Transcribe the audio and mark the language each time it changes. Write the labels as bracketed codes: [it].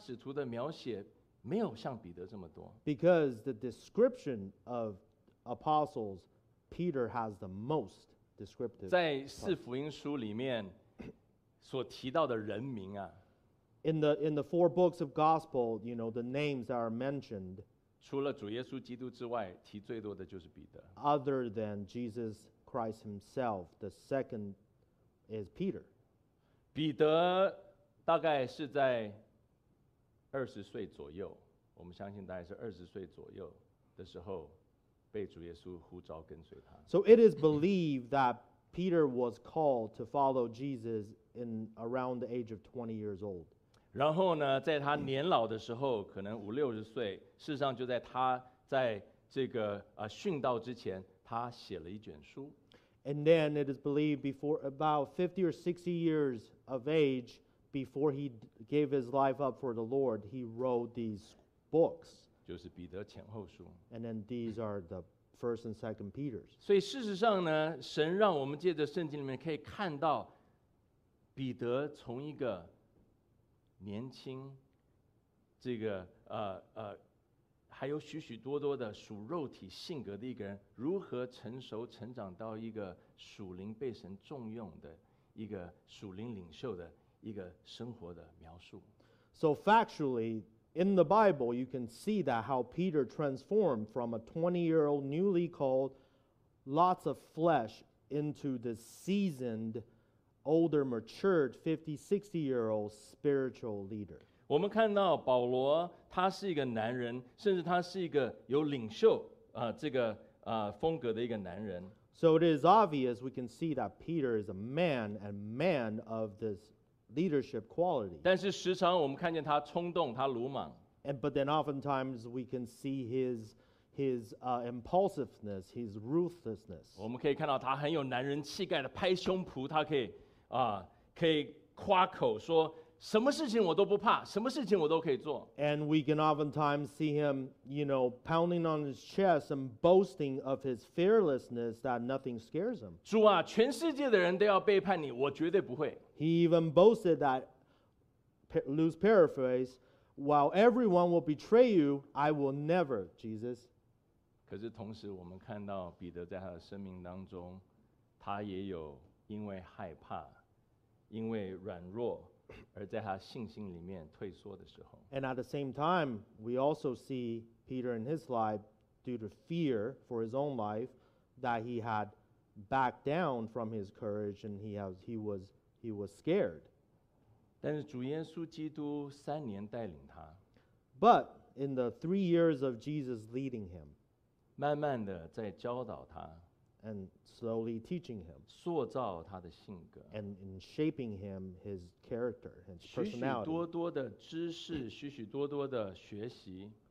[zh] 因为在圣经当中对其他使徒的描写没有像彼得这么多。 [en] Because the description of apostles, Peter has the most descriptive. [zh] 在四福音书里面 所提到的人名啊, [en] in the four books of gospel, you know, the names that are mentioned, [zh] 除了主耶稣基督之外, 提最多的就是彼得。 [en] Other than Jesus Christ himself, the second is Peter. [zh] 彼得大概是在20岁左右, 我们相信大概是20岁左右的时候, 被主耶稣呼召跟随他。 [en] So it is believed that Peter was called to follow Jesus in around the age of 20 years old. [zh] 然后呢, 在他年老的时候, 可能五六十岁, 事实上就在他在这个, 殉道之前, 他写了一卷书。 [en] And then it is believed before about 50 or 60 years of age, before he gave his life up for the Lord, he wrote these books. [zh] 就是彼得前后书。 [en] And then these are the First and Second Peters. [zh] 所以事实上呢, 神让我们借着圣经里面可以看到 彼得从一个年轻, 这个, 还有许许多多的属肉体性格的一个人, 如何成熟成长到一个属灵被神重用的一个属灵领袖的一个生活的描述。 [en] So factually, in the Bible, you can see that how Peter transformed from a 20-year-old newly called lots of flesh into the seasoned, older, matured, 50, 60-year-old spiritual leader. [zh] 我们看到保罗他是一个男人, 甚至他是一个有领袖, 这个, 风格的一个男人。 [en] So it is obvious we can see that Peter is a man and man of this leadership quality. [zh] 但是时常我们看见他冲动, 他鲁莽。 [en] And, but then oftentimes we can see his impulsiveness, his ruthlessness. [zh] 我们可以看到他很有男人气概的拍胸脯, 他可以, 可以夸口说, 什么事情我都不怕, 什么事情我都可以做。 [en] And we can oftentimes see him, you know, pounding on his chest and boasting of his fearlessness that nothing scares him. [zh] 主啊, 全世界的人都要背叛你, 我绝对不会。 [en] He even boasted that, loose paraphrase, while everyone will betray you, I will never, Jesus. [zh] 可是同时我们看到彼得在他的生命当中, 他也有因为害怕, 因为软弱, [en] and at the same time, we also see Peter in his life, due to fear for his own life, that he had backed down from his courage and he was scared. [zh] 但是主耶稣基督三年带领他, [en] but in the 3 years of Jesus leading him, [zh] 慢慢地在教导他, [en] and slowly teaching him, [zh] 塑造他的性格, [en] and in shaping him, his character, his personality. [zh] 许许多多的知识, 许许多多的学习,